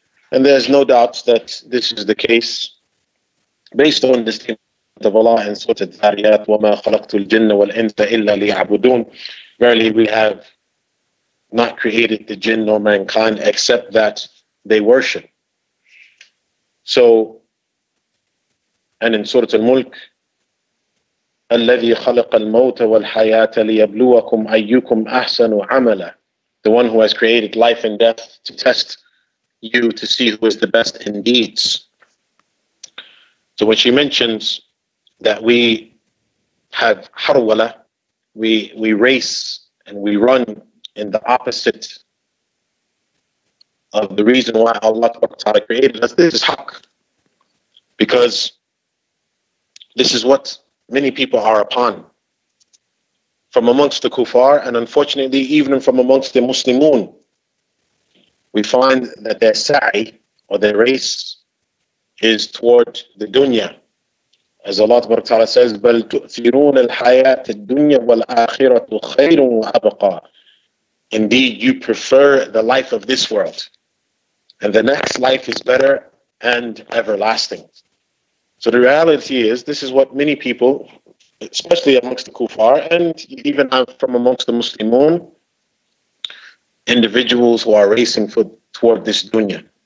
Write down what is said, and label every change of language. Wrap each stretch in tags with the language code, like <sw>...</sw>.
<en>And there's no doubt that this is the case. Based on the statement of Allah in Surah Al-Dhariyat,</en> <ar>وَمَا خَلَقْتُ الْجِنَّ وَالْإِنْسَ إِلَّا لِيَعْبُدُونَ.</ar> <en>Verily, we have not created the jinn nor mankind except that they worship. So, and in Surah Al-Mulk,</en> <ar>الَّذِي خَلَقَ الْمَوْتَ وَالْحَيَاةَ لِيَبْلُوَكُمْ أَيُّكُمْ أَحْسَنُ عَمَلًا.</ar> <en>The one who has created life and death to test you to see who is the best in deeds. So when she mentions that we have harwala, we race and we run in the opposite of the reason why Allah Ta'ala created us, this is haqq. Because this is what many people are upon from amongst the kuffar, and unfortunately even from amongst the muslimun, we find that their sa'i or their race is toward the dunya. As Allah Ta'ala says,</en> <ar>بَلْ تُؤْثِرُونَ الْحَيَاةِ الدُّنْيَا وَالْآخِرَةُ خَيْرٌ وَأَبْقَى.</ar> <en>Indeed, you prefer the life of this world, and the next life is better and everlasting. So the reality is, this is what many people, especially amongst the kuffar, and even from amongst the muslimun, individuals who are racing toward this dunya.</en>